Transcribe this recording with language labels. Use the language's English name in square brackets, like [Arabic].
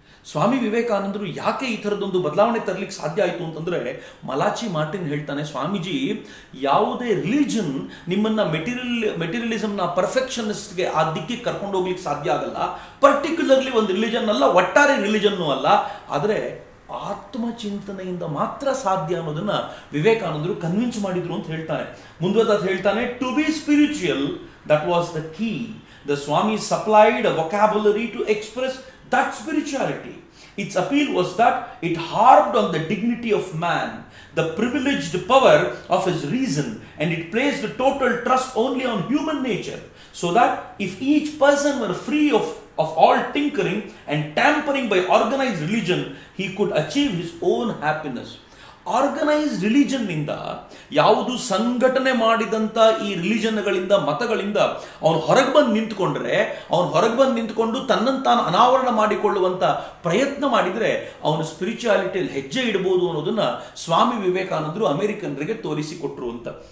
[Kannada] ಸ್ವಾಮಿ ವಿವೇಕಾನಂದರು ಯಾಕೆ ಈ ಥರದೊಂದು ಬದಲಾವಣೆ ತರಲಿಕ್ಕೆ ಸಾಧ್ಯ ಆಯಿತು ಅಂತಂದರೆ, ಮಲಾಚಿ ಮಾರ್ಟಿನ್ ಹೇಳ್ತಾನೆ, ಸ್ವಾಮೀಜಿ ಯಾವುದೇ ರಿಲಿಜನ್ ನಿಮ್ಮನ್ನು ಮೆಟೀರಿಯಲಿಸಮ್ನ ಪರ್ಫೆಕ್ಷನಿಸ್ಟ್ಗೆ ಆ ದಿಕ್ಕಿಗೆ ಕರ್ಕೊಂಡು ಹೋಗ್ಲಿಕ್ಕೆ ಸಾಧ್ಯ ಆಗಲ್ಲ, ಪರ್ಟಿಕ್ಯುಲರ್ಲಿ ಒಂದು ರಿಲಿಜನ್ ಅಲ್ಲ, ಒಟ್ಟಾರೆ ರಿಲಿಜನ್ನು ಅಲ್ಲ, ಆದರೆ ಆತ್ಮಚಿಂತನೆಯಿಂದ ಮಾತ್ರ ಸಾಧ್ಯ ಅನ್ನೋದನ್ನು ವಿವೇಕಾನಂದರು ಕನ್ವಿನ್ಸ್ ಮಾಡಿದರು ಅಂತ ಹೇಳ್ತಾನೆ. ಮುಂದುವರೆದು ಹೇಳ್ತಾನೆ, [English] To be spiritual that was the key, the swami supplied a vocabulary to express that spirituality. Its appeal was that it harped on the dignity of man, the privileged power of his reason, and it placed the total trust only on human nature, so that if each person were free of all tinkering and tampering by organized religion, he could achieve his own happiness. [Kannada] Organised religion ನಿಂದ, ಯಾವುದು ಸಂಘಟನೆ ಮಾಡಿದಂಥ ಈ ರಿಲಿಜನ್ಗಳಿಂದ ಮತಗಳಿಂದ ಅವನು ಹೊರಗೆ ಬಂದು ನಿಂತ್ಕೊಂಡ್ರೆ, ಅವನು ಹೊರಗೆ ಬಂದು ನಿಂತ್ಕೊಂಡು ತನ್ನಂತಾನು ಅನಾವರಣ ಮಾಡಿಕೊಳ್ಳುವಂಥ ಪ್ರಯತ್ನ ಮಾಡಿದರೆ ಅವನು ಸ್ಪಿರಿಚುಯಾಲಿಟಿಯಲ್ಲಿ ಹೆಜ್ಜೆ ಇಡಬಹುದು ಅನ್ನೋದನ್ನು ಸ್ವಾಮಿ ವಿವೇಕಾನಂದರು ಅಮೆರಿಕನ್ರಿಗೆ ತೋರಿಸಿಕೊಟ್ರು ಅಂತ.